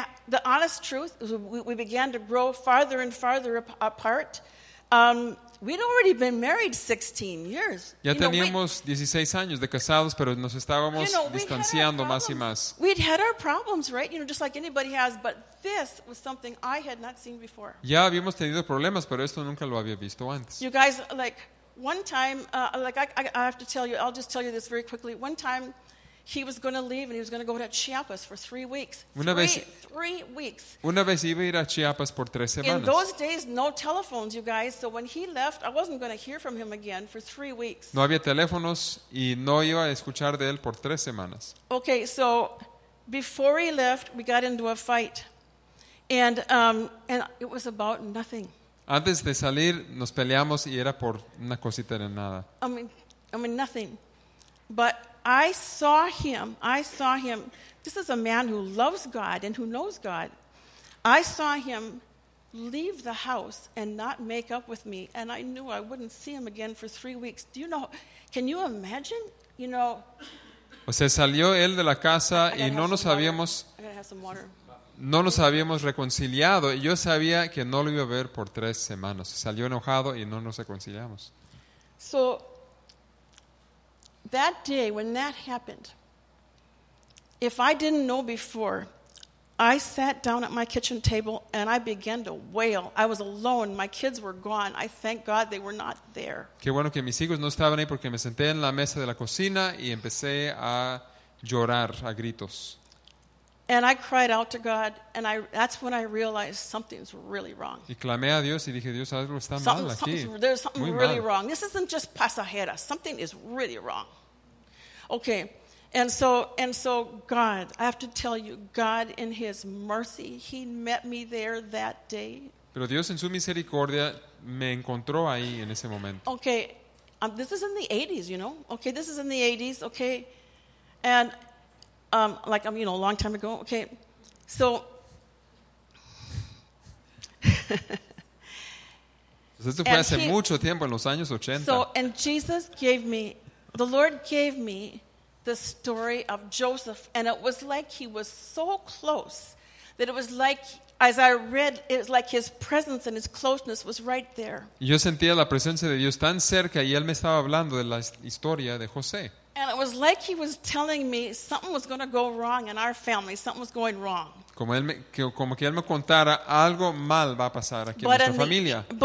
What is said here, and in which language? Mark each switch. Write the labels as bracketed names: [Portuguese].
[English] The honest truth is we began to grow farther and farther apart. We'd already been married 16 years. [Spanish] Ya teníamos 16 años de casados, pero nos estábamos distanciando más y más. [English] We'd had our problems, right? You know, just like anybody has, but this was something I had not seen before. [Spanish] Ya habíamos tenido problemas, pero esto nunca lo había visto antes. [English] You guys, like, one time, I have to tell you, I'll just tell you this very quickly. One time, he was going to leave and he was going to go to Chiapas for 3 weeks. Three weeks. [Spanish] Una vez iba a ir a Chiapas por 3 semanas. [English] In those days, no telephones, you guys. So when he left, I wasn't going to hear from him again for 3 weeks. [Spanish] No había teléfonos y no iba a escuchar de él por 3 semanas. [English] Okay, so before he left, we got into a fight. And it was about nothing. [Spanish] Antes de salir, nos peleamos y era por una cosita de nada. [English] I mean nothing. But I saw him, this is a man who loves God and who knows God. I saw him leave the house and not make up with me, and I knew I wouldn't see him again for 3 weeks. Do you know, can you imagine, you know? [Spanish] O sea, salió él de la casa y no nos habíamos, [English] I gotta have some water. [Spanish] No nos habíamos reconciliado. Yo sabía que no lo iba a ver por 3 semanas. Salió enojado y no nos reconciliamos. [English] So, that day when that happened, if I didn't know before, I sat down at my kitchen table and I began to wail. I was alone. My kids were gone. I thank God they were not there. [Spanish] Qué bueno que mis hijos no estaban ahí porque me senté en la mesa de la cocina y empecé a llorar a gritos. [English] And I cried out to God, and that's when I realized something's really wrong. [Spanish] Y clamé a Dios y dije, Dios, algo está mal aquí. [English] There's something really wrong. This isn't just pasajera. Something is really wrong. Okay, and so God, I have to tell you, God in His mercy, He met me there that day. [Spanish] Pero Dios en su misericordia me encontró ahí en ese momento. [English] Okay, this is in the 80s, you know? Okay, this is in the 80s, okay? And a long time ago. Okay, so [Spanish] esto fue hace mucho tiempo, en los años 80. [English] So, and Jesus gave me, the Lord gave me the story of Joseph, and it was like He was so close that it was like, as I read, it was like His presence and His closeness was right there. [Spanish] Yo sentía la presencia de Dios tan cerca y Él me estaba hablando de la historia de José. [English] And it was like He was telling me something was going to go wrong in our family. Something was going wrong. [Spanish] Como que él me contara algo mal va a pasar aquí en nuestra familia.